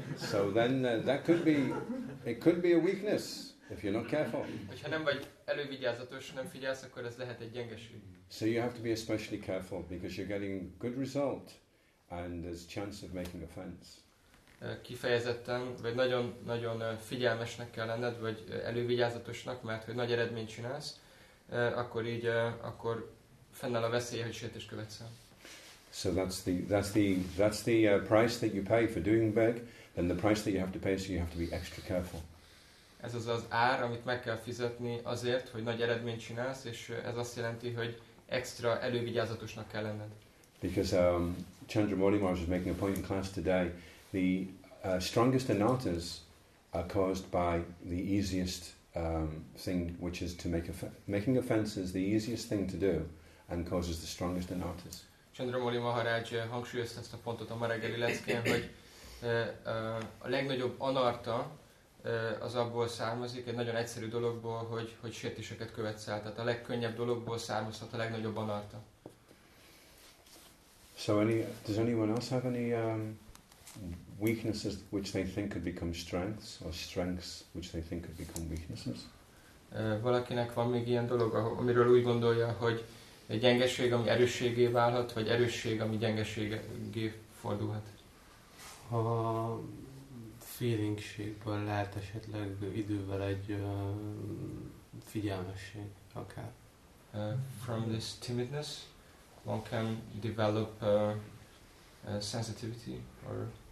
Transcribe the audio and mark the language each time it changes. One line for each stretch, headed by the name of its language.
English: So then that could be a weakness, if you're not careful.
Hungarian: Hogyha nem vagy elővigyázatos, nem figyelsz, akkor ez lehet egy gyengeség.
English: So you have to be especially careful, because you're getting good result, and there's chance of making offense.
Hungarian: Kifejezetten, vagy nagyon-nagyon figyelmesnek kell lenned, vagy elővigyázatosnak, mert hogy nagy eredményt csinálsz, akkor így, akkor fennáll a veszély, hogy sértést követsz el.
English: So that's the price that you pay for doing big, then the price that you have to pay, so you have to be extra careful.
Hungarian: Ez az az ár, amit meg kell fizetni azért, hogy nagy eredményt csinálsz, és ez azt jelenti, hogy extra elővigyázatosnak kell lenned.
English: Because Chandramouli Maharaj is making a point in class today, the strongest anattas are caused by the easiest thing, which is to making offense is the easiest thing to do and causes the strongest anattas.
Hungarian: Chandramouli Maharaj hangsúlyozta ezt a pontot a ma reggeli leckén, hogy a legnagyobb anarta az abból származik, egy nagyon egyszerű dologból, hogy sértéseket követsz el. Tehát a legkönnyebb dologból származhat a legnagyobb anarta.
English: So does anyone else have any weaknesses which they think could become strengths, or strengths which they think could become weaknesses?
Hungarian: Valakinek van még ilyen dolog, amiről úgy gondolja, hogy egy gyengeség, ami erősségé válhat, vagy erősség, ami gyengeségé fordulhat? ha feelingségből lehet esetleg idővel egy figyelmesség, akár.
English: From this timidness, one can develop sensitivity or